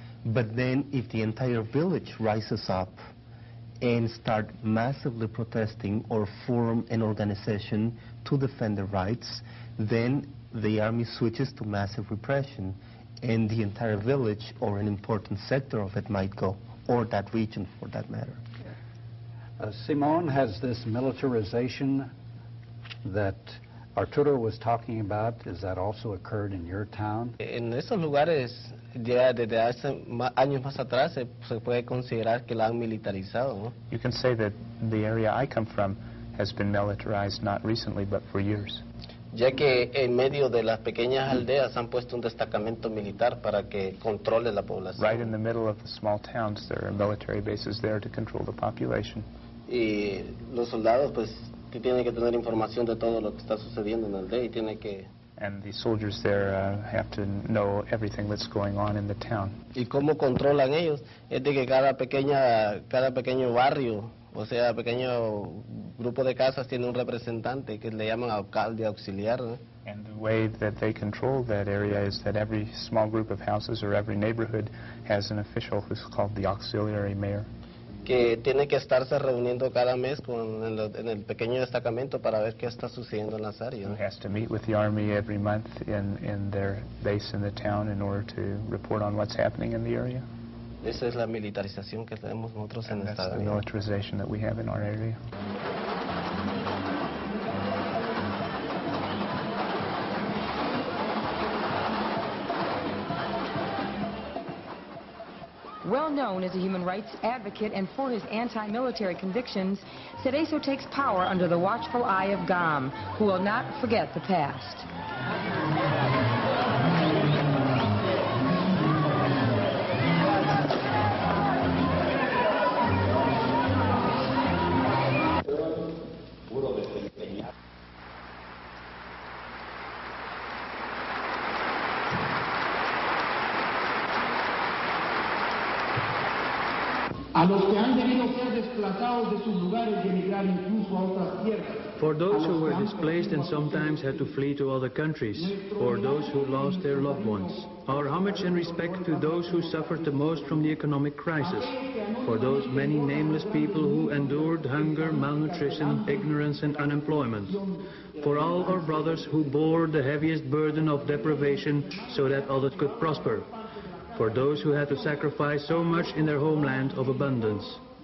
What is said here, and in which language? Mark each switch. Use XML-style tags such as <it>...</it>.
<en>But then if the entire village rises up and start massively protesting or form an organization to defend the rights, then the army switches to massive repression and the entire village or an important sector of it might go, or that region for that matter. Simon, has this militarization that Arturo was talking about, has that also occurred in your town?</en> <es>En esos lugares ya desde hace años más atrás se puede considerar que la han militarizado.</es> <en>You can say that the area I come from has been militarized, not recently, but for years.</en> <es>Ya que en medio de las pequeñas aldeas han puesto un destacamento militar para que controle la población.</es> <en>Right in the middle of the small towns, there are military bases there to control the population.</en> <es>Y los soldados, pues, tienen que tener información de todo lo que está sucediendo en la aldea y tienen que...</es> <en>And the soldiers there have to know everything that's going on in the town.</en> <es>Y cómo controlan ellos, es de que cada pequeño barrio, o sea, pequeño grupo de casas tiene un representante que le llaman alcalde auxiliar, ¿no?</es> <en>And the way that they control that area is that every small group of houses or every neighborhood has an official who's called the auxiliary mayor.</en> <es>Que tiene que estarse reuniendo cada mes con en el pequeño destacamento para ver qué está sucediendo en las áreas.</es> <en>Who has to meet with the army every month in their base in the town in order to report on what's happening in the area.</en> <es>Esa es la militarización que tenemos nosotros en esta área.</es> <en>That's the militarization that we have in our area. Well known as a human rights advocate and for his anti-military convictions, Cerezo takes power under the watchful eye of GAM, who will not forget the past.</en> <es>A los que han debido ser desplazados de sus lugares y emigrar incluso a otras tierras.</es> <en>For those who were displaced and sometimes had to flee to other countries, for those who lost their loved ones, our homage and respect to those who suffered the most from the economic crisis, for those many nameless people who endured hunger, malnutrition, ignorance and unemployment, for all our brothers who bore the heaviest burden of deprivation so that others could prosper, for those who had to sacrifice so much in their homeland of abundance.</en>